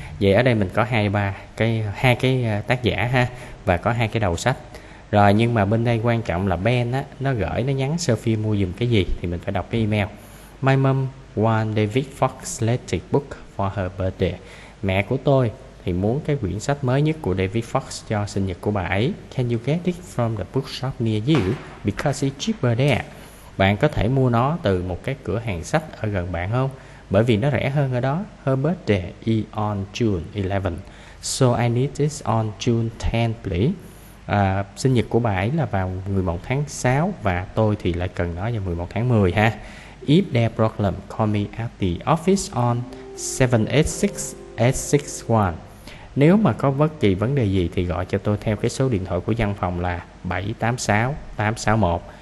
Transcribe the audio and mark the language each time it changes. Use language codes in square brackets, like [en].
[vi] Vậy ở đây mình có hai cái tác giả ha, và có hai cái đầu sách. Rồi nhưng mà bên đây quan trọng là Ben á, nó gửi, nó nhắn Sophie mua giùm cái gì thì mình phải đọc cái email. [en] My mom want David Fox's latest book for her birthday. [vi] Mẹ của tôi thì muốn cái quyển sách mới nhất của David Fox cho sinh nhật của bà ấy. [en] Can you get it from the bookshop near you? Because it's cheaper there. [vi] Bạn có thể mua nó từ một cái cửa hàng sách ở gần bạn không? Bởi vì nó rẻ hơn ở đó. [en] Her birthday is on June 11. So I need it on June 10, please. [vi] Sinh nhật của bà ấy là vào 11 tháng 6 và tôi thì lại cần nó vào 11 tháng 10 ha. [en] If there problem, call me at the office on 786-861. [vi] Nếu mà có bất kỳ vấn đề gì thì gọi cho tôi theo cái số điện thoại của văn phòng là 786-861.